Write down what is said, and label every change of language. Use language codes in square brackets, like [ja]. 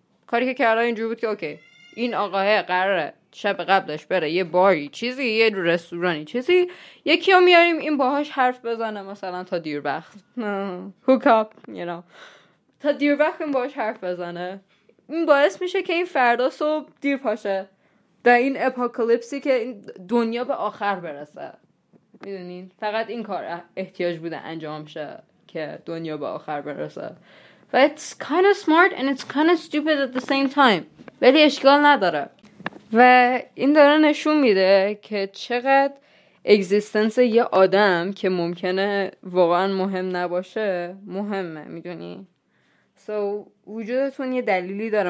[fa] کاری که کردن اینجور بود که اوکی، این آقاه قراره شب قبلش بره یه باری چیزی، یه رستورانی چیزی، یکی رو میاریم این باهاش حرف بزنه مثلا تا دیر وقت، هوکاپ [en] you know، [fa] تا دیر وقت این باهاش حرف بزنه. این باعث میشه که این فردا صبح دیر پاشه در این اپوکالیپسی که این دنیا به آخر برسه، میدونین؟ فقط این کار احتیاج بوده انجام شه که دنیا به آخر برسه. [en] But it's kind of smart and it's kind of stupid at the same time. [fa] ولی اشکال نداره. و این داره نشون میده که چقدر اگزیستنس یه آدم که ممکنه واقعا مهم نباشه مهمه، میدونی؟ So وجودتون یه دلیلی داره.